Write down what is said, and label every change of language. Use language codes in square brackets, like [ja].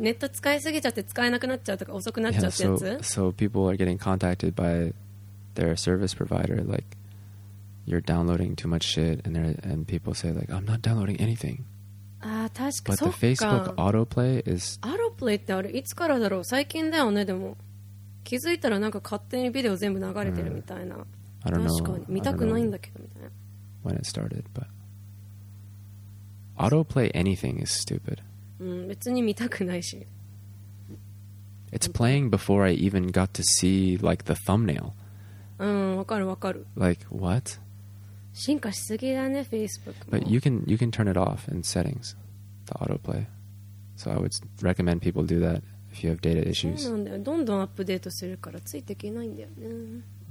[ja] ネット使いすぎちゃって使えなくなっちゃうとか遅くなっちゃうってやつ [en] yeah, so people are getting contacted by their service provider like you're downloading too much shit and people say like I'm not downloading anything [ja] ああ確かそうか [en] but the Facebook autoplay is [ja] autoplay ってあれいつからだろう最近だよねでも気づいたらなんか勝手にビデオ全部流れてるみたいな [en] I don't know [ja] 確かに見たくないんだけどみたいな [en] when it started but autoplay anything is stupid [ja] うん、別に見たくないし [en] It's playing before I even got to see like the thumbnail [ja] うん、わかるわかる [en] Like, what? [ja] 進化しすぎだね、Facebook [en] But you can turn it off in settings the autoplay So I would recommend people do that if you have data issues [ja] そうなんだよ、どんどんアップデートするからついていけないんだよね